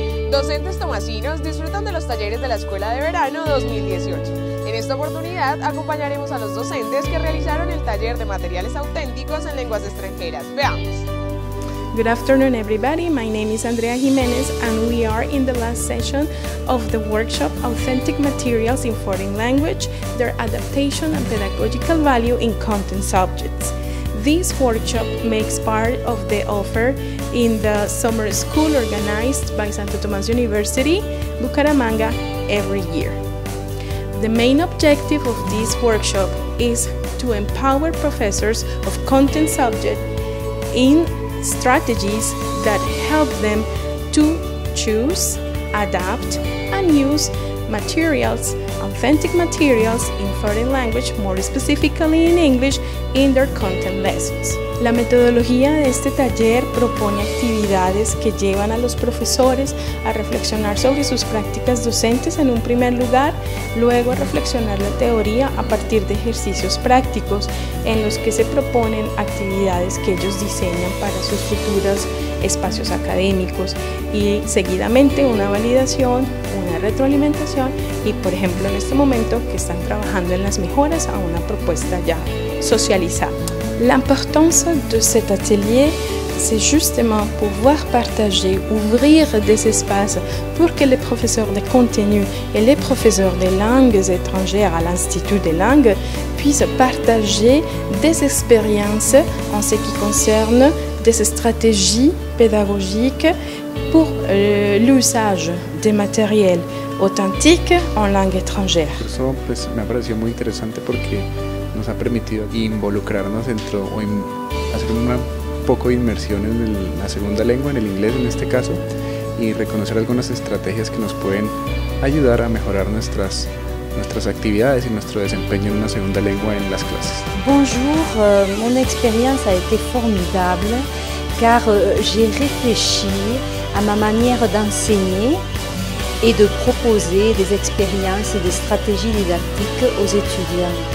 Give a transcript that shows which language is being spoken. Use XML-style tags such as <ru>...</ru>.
<es>docentes tomasinos disfrutan de los talleres de la Escuela de Verano 2018. En esta oportunidad acompañaremos a los docentes que realizaron el taller de materiales auténticos en lenguas extranjeras. ¡Veamos!</es> <en>Good afternoon, everybody. My name is Andrea Jimenez, and we are in the last session of the workshop Authentic Materials in Foreign Language, Their Adaptation and Pedagogical Value in Content Subjects. This workshop makes part of the offer in the summer school organized by Santo Tomas University, Bucaramanga, every year. The main objective of this workshop is to empower professors of content subject in strategies that help them to choose, adapt, and use materials, authentic materials in foreign language, more specifically in English, in their content lessons.</en> <es>La metodología de este taller propone actividades que llevan a los profesores a reflexionar sobre sus prácticas docentes en un primer lugar, luego a reflexionar la teoría a partir de ejercicios prácticos en los que se proponen actividades que ellos diseñan para sus futuros espacios académicos y seguidamente una validación, una retroalimentación y por ejemplo en este momento que están trabajando en las mejoras a una propuesta ya socializada.</es> <fr>L'importance de cet atelier, c'est justement pouvoir partager, ouvrir des espaces pour que les professeurs de contenu et les professeurs des langues étrangères à l'Institut des langues puissent partager des expériences en ce qui concerne des stratégies pédagogiques pour l'usage des matériels authentiques en langue étrangère.</fr> <es>Ça, pues,</es> <fr>me a paru</fr> <es>muy interesante porque nos ha permitido involucrarnos dentro o hacer un poco de inmersión en la segunda lengua, en el inglés en este caso, y reconocer algunas estrategias que nos pueden ayudar a mejorar nuestras actividades y nuestro desempeño en una segunda lengua en las clases.</es> <fr>Bonjour, mon expérience a été formidable car j'ai réfléchi à ma manière d'enseigner et de proposer des expériences et des stratégies didactiques aux étudiants.</fr>